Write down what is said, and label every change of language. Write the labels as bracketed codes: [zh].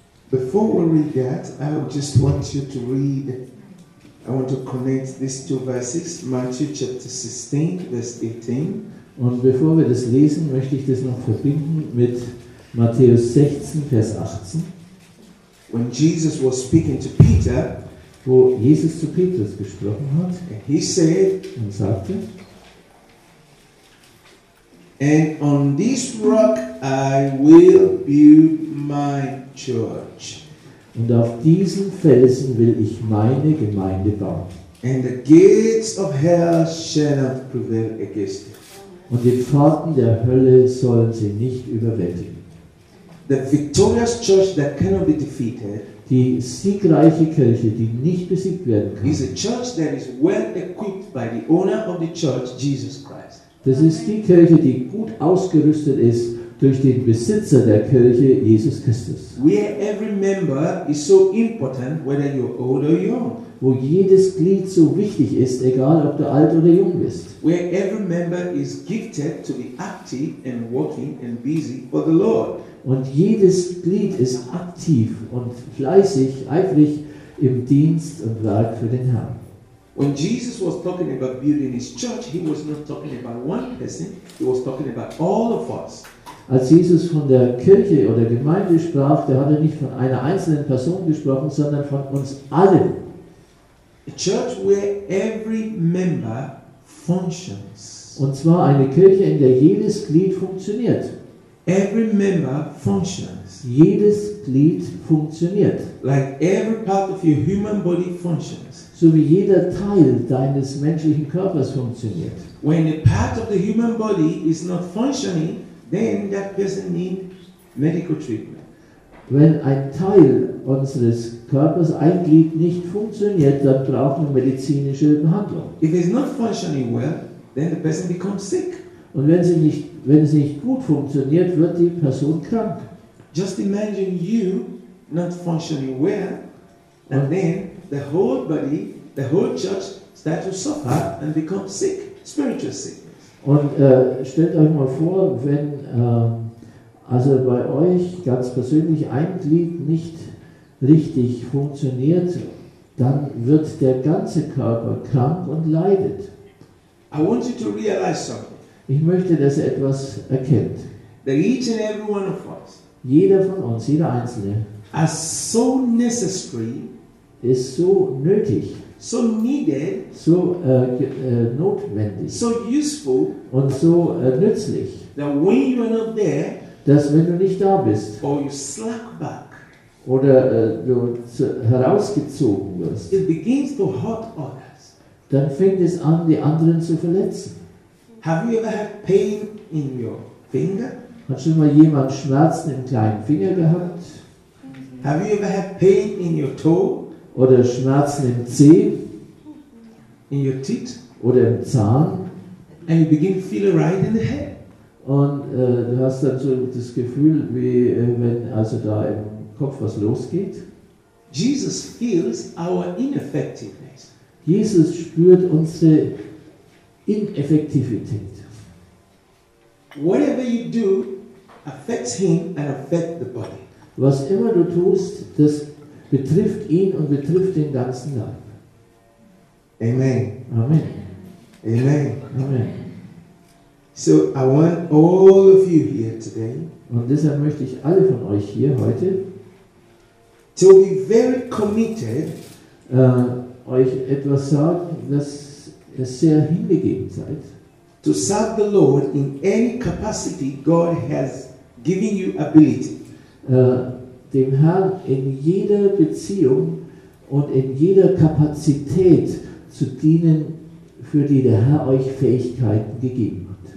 [en] Before we read that, I just want you to read. I want to connect these two verses, Matthew chapter 16, verse 18. [de] Und bevor wir das lesen, möchte ich das noch verbinden mit Matthäus 16, Vers 18. [en] When Jesus was speaking to Peter, [de] wo Jesus zu Petrus gesprochen hat, [en] he said, [de] und sagte, [en] and on this rock I will build my church. [de] Und auf diesem Felsen will ich meine Gemeinde bauen. [en] And the gates of hell shall not prevail against it. [de] Und die Pforten der Hölle sollen sie nicht überwältigen. [en] The victorious church that cannot be defeated. [de] Die siegreiche Kirche, die nicht besiegt werden kann. [en] Is a church that is well equipped by the owner of the church, Jesus Christ. [de] Das ist die Kirche, die gut ausgerüstet ist durch den Besitzer der Kirche, Jesus Christus. [en] Where every member is so important, whether you're old or young. [de] Wo jedes Glied so wichtig ist, egal ob du alt oder jung bist. [en] Where every member is gifted to be active and working and busy for the Lord. [de] Und jedes Glied ist aktiv und fleißig, eifrig im Dienst und Werk für den Herrn. [en] When Jesus was talking about building his church, he was not talking about one person, he was talking about all of us. [de] Als Jesus von der Kirche oder Gemeinde sprach, da hat er nicht von einer einzelnen Person gesprochen, sondern von uns allen. [en] A church where every member functions. [de] Und zwar eine Kirche, in der jedes Glied funktioniert. [en] Every member functions. [de] Jedes Glied funktioniert. [en] Like every part of your human body functions. [de] So wie jeder Teil deines menschlichen Körpers funktioniert. [en] When a part of the human body is not functioning, then that person needs medical treatment. [de] Wenn ein Teil unseres Körpers, ein Glied nicht funktioniert, dann brauchen wir medizinische Behandlung. [en] If it's not functioning well, then the person becomes sick. [de] Und wenn es nicht gut funktioniert, wird die Person krank. [en] Just imagine you not functioning well, and then the whole body, the whole church starts to suffer and becomes sick, spiritually sick. [de] Und stellt euch mal vor, wenn also bei euch ganz persönlich ein Glied nicht richtig funktioniert, dann wird der ganze Körper krank und leidet. [en] I want you to realize something. [de] Ich möchte, dass ihr etwas erkennt. [en] That each and every one of us, [de] jeder von uns, jeder Einzelne, [en] are so necessary, [de] ist so nötig, [en] so needed, [de] so notwendig, [en] so useful, [de] und so nützlich, [en] that when you are not there, [de] dass wenn du nicht da bist, [en] or you slack back, [de] oder du herausgezogen wirst, [en] it begins to hurt others. [de] Dann fängt es an, die anderen zu verletzen. [en] Have you ever had pain in your finger? [de] Hat schon mal jemand Schmerzen im kleinen Finger gehabt? [en] Have you ever had pain in your toe? [de] Oder Schmerzen im Zeh? [en] In your teeth? [de] Oder im Zahn? [en] And you begin to feel right in the head. [de] Und du hast dann so das Gefühl, wie wenn also da im Kopf was losgeht. [en] Jesus feels our ineffectiveness. [de] Jesus spürt unsere Ineffektivität. [en] Whatever you do affects him and affects the body. [de] Was immer du tust, das betrifft ihn und betrifft den ganzen Leib. [en] Amen. [de] Amen. [en] Amen. [de] Amen. [en] So I want all of you here today. [de] Und deshalb möchte ich alle von euch hier heute [en] to be very committed, [de] euch etwas sagen, dass es sehr hingegeben seid, [en] to serve the Lord in any capacity God has given you ability. [de] Dem Herrn in jeder Beziehung und in jeder Kapazität zu dienen, für die der Herr euch Fähigkeiten gegeben hat.